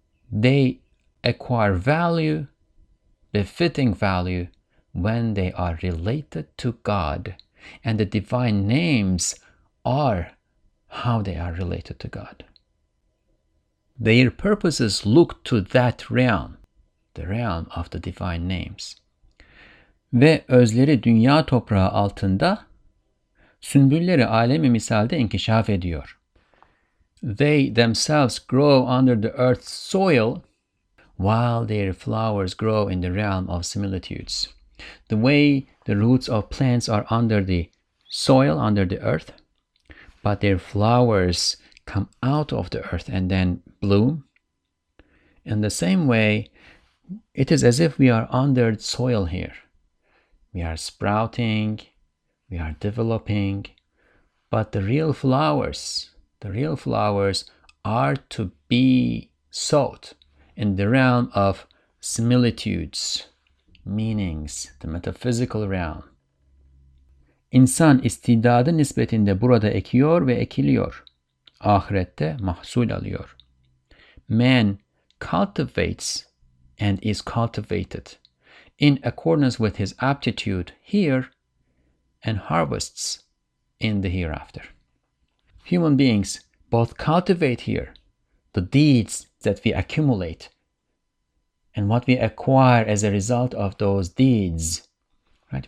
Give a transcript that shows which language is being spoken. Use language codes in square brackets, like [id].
[en] They acquire value, befitting value, when they are related to God, and the divine names are how they are related to God. Their purposes look to that realm, the realm of the divine names. [tr] Ve özleri dünya toprağı altında, sümbülleri alemi misalde inkişaf ediyor. [en] They themselves grow under the earth's soil, while their flowers grow in the realm of similitudes. The way the roots of plants are under the soil, under the earth, but their flowers come out of the earth and then bloom. In the same way, it is as if we are under soil here. We are sprouting, we are developing, but the real flowers are to be sought in the realm of similitudes, meanings, the metaphysical realm. [tr] İnsan istidadı nispetinde burada ekiyor ve ekiliyor. Ahirette mahsul alıyor. [en] Man cultivates and is cultivated in accordance with his aptitude here and harvests in the hereafter. Human beings both cultivate here the deeds that we accumulate and what we acquire as a result of those deeds. Right?